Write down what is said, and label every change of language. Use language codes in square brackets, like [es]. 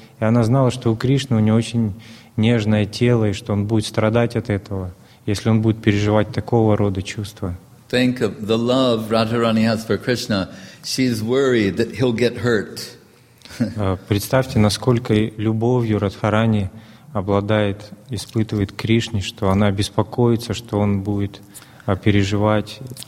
[ru] И она знала, что у Кришны у нее очень нежное тело, и что он будет страдать от этого, если он будет переживать такого рода чувства. [en] Think of the love Radharani has for Krishna. She's worried that he'll get hurt. [ru] Представьте, насколько любовью Радхарани обладает, испытывает Кришне, что она беспокоится, что он будет переживать.